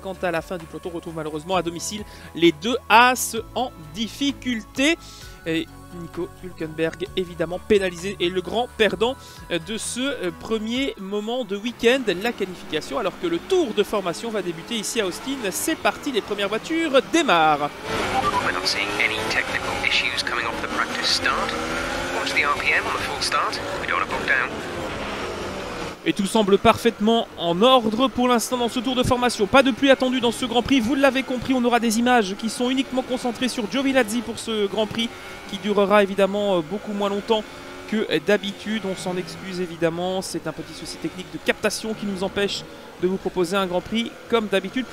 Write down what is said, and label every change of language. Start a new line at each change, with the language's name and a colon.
French: Quant à la fin du peloton, on retrouve malheureusement à domicile les deux As en difficulté. Et Nico Hülkenberg, évidemment, pénalisé et le grand perdant de ce premier moment de week-end, la qualification, alors que le tour de formation va débuter ici à Austin. C'est parti, les premières voitures démarrent.
English: We're not seeing any technical issues coming off the practice start. Watch the RPM on the full start. We don't want to bog down.
French: Et tout semble parfaitement en ordre pour l'instant dans ce tour de formation. Pas de pluie attendue dans ce Grand Prix. Vous l'avez compris, on aura des images qui sont uniquement concentrées sur Giovinazzi pour ce Grand Prix qui durera évidemment beaucoup moins longtemps que d'habitude. On s'en excuse évidemment. C'est un petit souci technique de captation qui nous empêche de vous proposer un Grand Prix comme d'habitude.